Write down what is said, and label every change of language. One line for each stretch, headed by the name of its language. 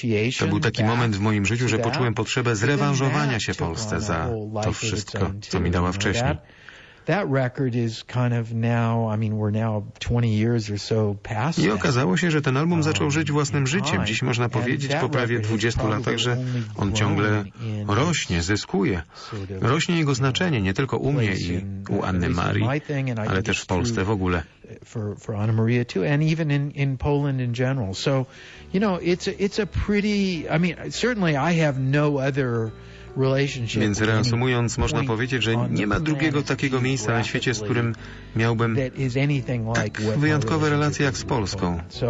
Polish: To był taki moment w moim życiu, że poczułem potrzebę zrewanżowania się Polsce za to wszystko, co mi dała wcześniej.
English: That record is kind of now, I mean, we're now 20 years or so past.
Polish: I okazało się, że ten album zaczął żyć własnym życiem. Dziś można powiedzieć po prawie 20 latach, że on ciągle rośnie, zyskuje. Rośnie jego znaczenie nie tylko u mnie i u Anny Marii, ale też w Polsce w ogóle.
English: For Anna Maria too, and even in Poland in general. So, you know, it's a pretty, I mean, certainly I have no other.
Polish: Więc reasumując, można powiedzieć, że nie ma drugiego takiego miejsca na świecie, z którym miałbym tak wyjątkowe relacje jak z Polską.